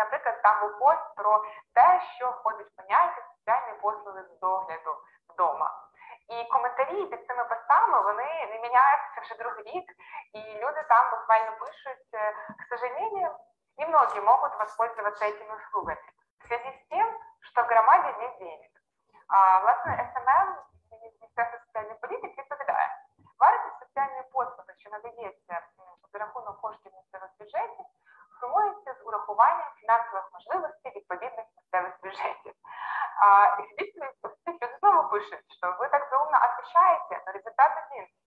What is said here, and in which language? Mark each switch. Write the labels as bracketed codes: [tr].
[uk] Наприклад, там був пост про те, що входить в поняття соціальні послуги з догляду вдома. І коментарі під цими постами, вони не міняються вже другий рік, і люди там буквально пишуть, [ru] к сожалению, немногие могут воспользоваться этими услугами. В связи с тем, что в громаде нет денег. [uk] А, власне, СММ, [ru] Министерство социальной политики, [uk] відповідає. Вартість соціальної послуги, що надається за рахунок коштів місцевих бюджетів, формується з урахуванням фінансових можливостей відповідних місцевих бюджетів. А, і звідси знову пише, що ви так заумно отвечаєте, але результат один.